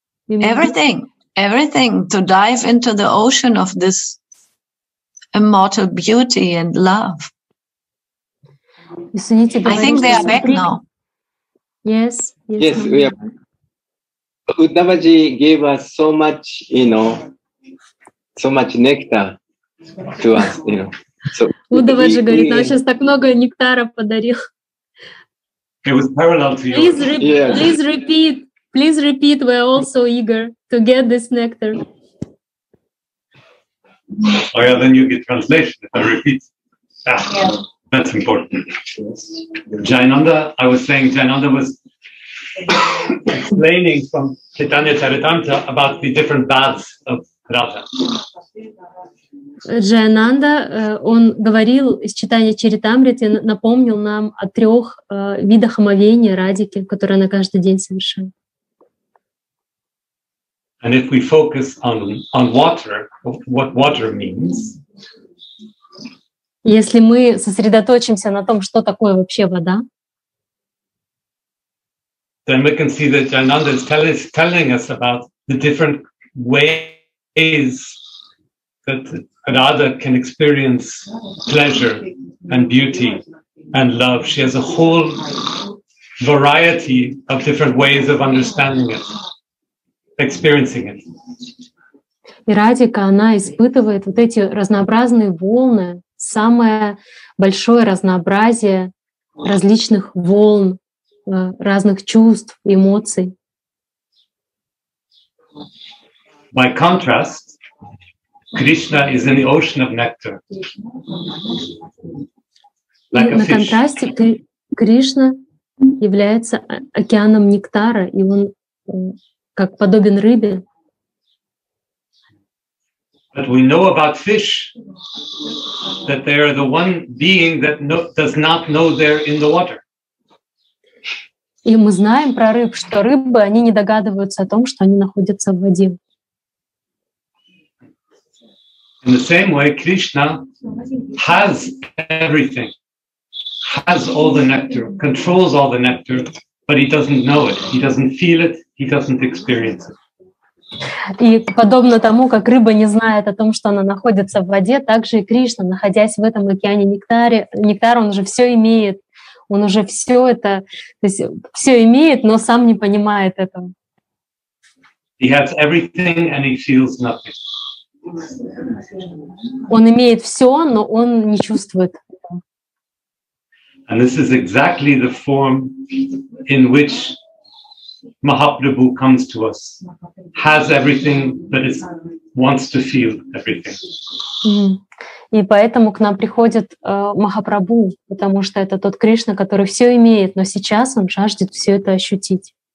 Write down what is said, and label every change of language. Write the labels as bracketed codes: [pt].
[en] Everything, everything to dive into the ocean of this immortal beauty and love. I think they are back now. Yes. Yes, we are. Uddhavaji gave us so much, you know, so much nectar to us, you know. So [ru] Uddhavaji говорит, он сейчас так много нектара подарил. [en] It was parallel to you. Please, please repeat. Please repeat. We are also eager to get this nectar. Oh yeah, then you get translation. If I repeat. Yeah. That's important. Jainanda, I was saying, Jainanda was explaining from Chaitanya Charitamrita about the different baths of Radha. [ru] Джайананда, он говорил из Читания Чаритамриты, напомнил нам о трех видах омовения Радики, которые она каждый день совершает. [en] And if we focus on water, what water means. [ru] Если мы сосредоточимся на том, что такое вообще вода. [en] Then we can see that Jainanda is telling us about the different ways that Radha can experience pleasure and beauty and love. She has a whole variety of different ways of understanding it, experiencing it. [ru] И Радика, она испытывает вот эти разнообразные волны, самое большое разнообразие различных волн, разных чувств, эмоций. [en] By contrast, Krishna is in the ocean of nectar. Like [ru] на контрасте, Кришна является океаном нектара, и он как подобен рыбе. [en] But we know about fish that they are the one being that does not know they're in the water. [ru] И мы знаем про рыб, что рыбы, они не догадываются о том, что они находятся в воде. [en] In the same way, Krishna has everything, has all the nectar, controls all the nectar, but he doesn't know it, he doesn't feel it, he doesn't experience it. [ru] И подобно тому, как рыба не знает о том, что она находится в воде, так же и Кришна, находясь в этом океане нектара, он уже все имеет. Он уже все это, то есть все имеет, но сам не понимает этого. [en] He has everything and he feels nothing. [ru] Он имеет все, но он не чувствует. [en] And this is exactly the form in which Mahaprabhu comes to us. Has everything, but is, wants to feel everything. [ru] И поэтому к нам приходит Махапрабху, потому что это тот Кришна, который все имеет, но сейчас он жаждет все это ощутить.